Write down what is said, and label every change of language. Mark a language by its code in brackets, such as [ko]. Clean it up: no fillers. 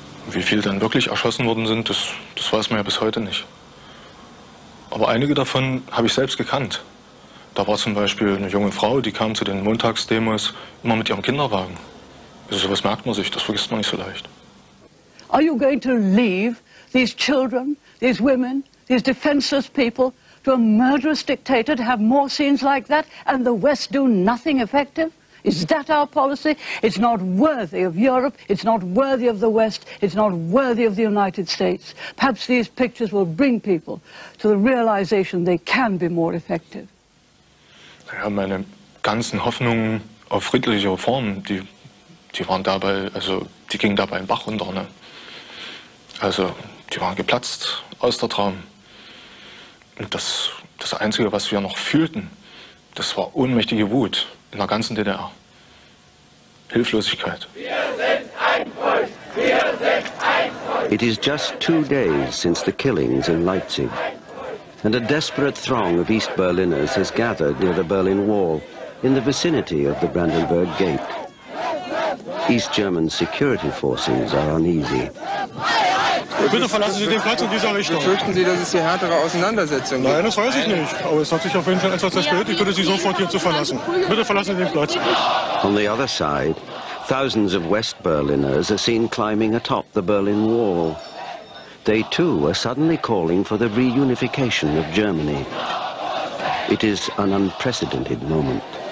[de] Wie viele dann wirklich erschossen worden sind, das weiß man ja bis heute nicht. Aber einige davon habe ich selbst gekannt. Da war zum Beispiel eine junge Frau, die kam zu den Montagsdemos immer mit ihrem Kinderwagen. Also sowas merkt man sich, das vergisst man nicht so leicht. [en] Are you going to leave these children, these women, these defenseless people to a murderous dictator to have more scenes like that and the West do nothing effective? Is that our policy? It's not worthy of Europe, it's not worthy of the West, it's not worthy of the United States. Perhaps these pictures will bring people to the realization they can be more effective. [de] Ja, meine ganzen Hoffnungen auf friedliche Reformen, die waren dabei, also die gingen dabei den Bach runter, ne? Also die waren geplatzt aus der Traum. Und das Einzige, was wir noch fühlten, das war ohnmächtige Wut in der ganzen DDR. Hilflosigkeit. [en] It is just 2 days since the killings in Leipzig. And a desperate throng of East Berliners has gathered near the Berlin Wall, in the vicinity of the Brandenburg Gate. East German security forces are uneasy. [de] Bitte verlassen Sie den Platz in dieser Richtung. Befürchten Sie, dass es hier härtere Auseinandersetzungen gibt? Nein, das weiß ich nicht. Aber es hat sich auf jeden Fall etwas erspäht. Ich bitte Sie sofort hier zu verlassen. Bitte verlassen Sie den Platz. [en] On the other side, thousands of West Berliners are seen climbing atop the Berlin Wall. They too are suddenly calling for the reunification of Germany. It is an unprecedented moment.